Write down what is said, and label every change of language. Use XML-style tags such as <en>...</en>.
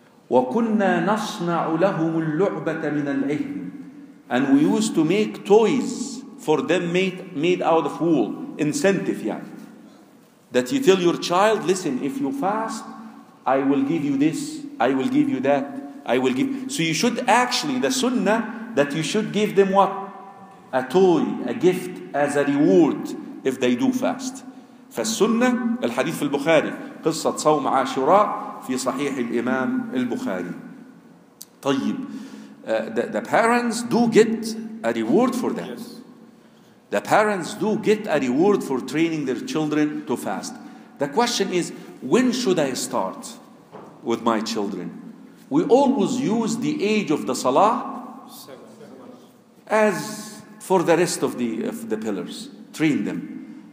<ar>وَكُنَّا نَصْنَعُ لَهُمُ اللُّعْبَةَ مِنَ الْعِهْمِ,</ar> <en>and we used to make toys for them made out of wool, incentive, yeah. That you tell your child, listen, if you fast, I will give you this, I will give you that, I will give. So you should actually, the sunnah, that you should give them what? A toy, a gift, as a reward, if they do fast.</en> <ar>فالسنه الحديث في البخاري قصه صوم عاشوراء في صحيح الامام البخاري طيب</ar> <en>the parents do get a reward for that. Yes. The parents do get a reward for training their children to fast. The question is, when should I start with my children? We always use the age of the salah as for the rest of the pillars, train them.</en>